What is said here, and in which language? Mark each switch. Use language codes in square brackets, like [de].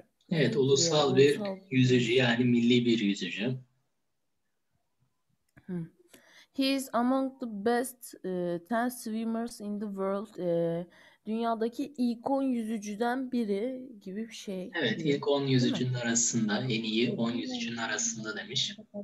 [tr] Evet, ulusal bir yüzücü, yani milli bir yüzücü. [en] He is among the best 10 swimmers in the world. [tr] Dünyadaki ilk 10 yüzücüden biri gibi bir şey. Evet, ilk 10 yüzücünün arasında, en iyi 10 yüzücünün arasında demiş.